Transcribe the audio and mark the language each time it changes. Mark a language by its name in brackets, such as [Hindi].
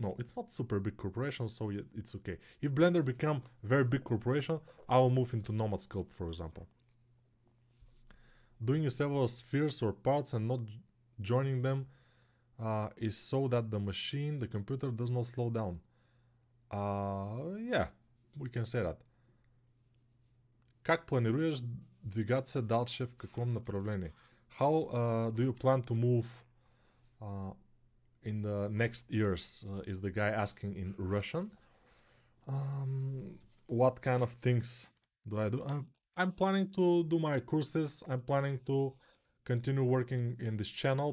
[English] No, it's not super big corporation, so it's okay. If Blender become very big corporation, I will move into Nomad Sculpt, for example. Doing several spheres or parts and not joining them is so that the machine, the computer, does not slow down. Yeah, we can say that. [Russian] Как планируеш двигаться дальше, в каком направлении? [English] How do you plan to move in the next years, is the guy asking in Russian. What kind of things do I do? I'm planning to do my courses. I'm planning to continue working in this channel.